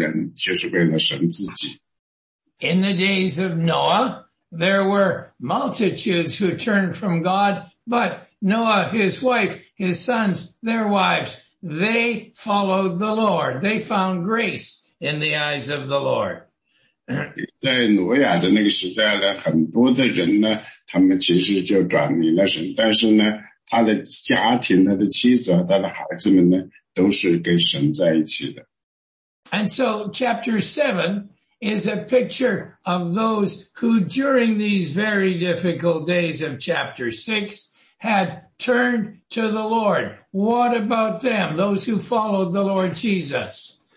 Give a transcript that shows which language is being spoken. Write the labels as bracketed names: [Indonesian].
[Chinese] 那这里总是这样的,神就会为他呢,自己呢,保存一些余民,一些少数的人,就是为了神自己。 [English] In the days of Noah, there were multitudes who turned from God, but Noah, his wife, his sons, their wives, they followed the Lord. They found grace in the eyes of the Lord. [Chinese] 在挪亚的那个时代呢,很多的人呢,他们其实就转离了神,但是呢,他的家庭,他的妻子,他的孩子们呢,都是跟神在一起的。 [English] And so chapter 7 is a picture of those who during these very difficult days of chapter 6 had turned to the Lord. What about them, those who followed the Lord Jesus?